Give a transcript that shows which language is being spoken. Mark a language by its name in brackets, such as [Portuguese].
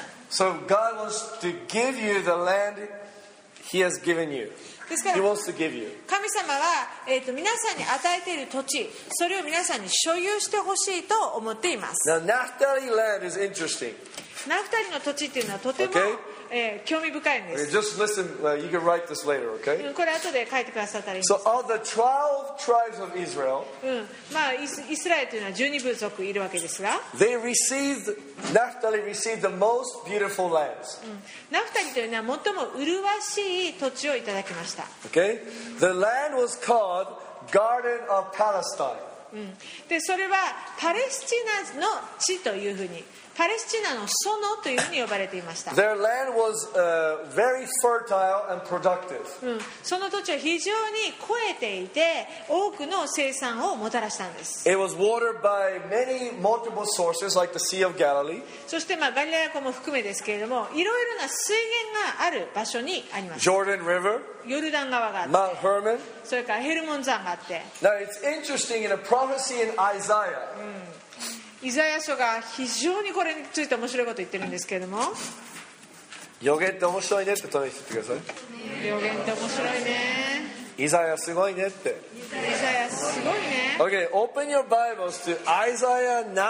[English] So God wants to give you the land He has given you. [Japanese] ですから [English] He wants to give you. [Japanese] 神様は皆さんに与えている土地、それを皆さんに所有してほしいと思っています。 [English] Now Naphtali land is interesting. [Japanese] ナフタリの土地っていうのはとても、 [English] okay? [Japanese] 興味深いんです。 [English] Okay, just listen, you can write this later, okay? [Japanese] これ後で書いてくださったらいいんです。 [English] So of the 12 tribes of Israel, [Japanese] イスラエルというのは12部族いるわけですが、 [English] they received, Naphtali received the most beautiful lands. [Japanese] Naphtali というのは最も麗しい土地をいただきました。 [English] Okay? The land was called Garden of Palestine. [Japanese] で、それはパレスチナの地というふうに、パレスチナの園というふうに呼ばれていました。 [English] Their land was, very fertile and productive. [Japanese] その土地は非常に肥えていて、多くの生産をもたらしたんです。 [English] It was watered by many multiple sources, like the Sea of Galilee. [Japanese] そして、ガリラヤ湖も含めですけれども、いろいろな水源がある場所にあります。 [English] Jordan River, [Japanese] ヨルダン川があって、 [English] Mount Hermon, [Japanese] それからヘルモン山があって。 [English] Now it's interesting in a prophecy in Isaiah. [Japanese] イザヤ書が非常にこれについて面白いことを言ってるんですけれども、予言って面白いねって隣に言ってください。予言って面白いね、イザヤすごいねって。イザヤすごいね。 [English] OK, open your Bibles to Isaiah 9。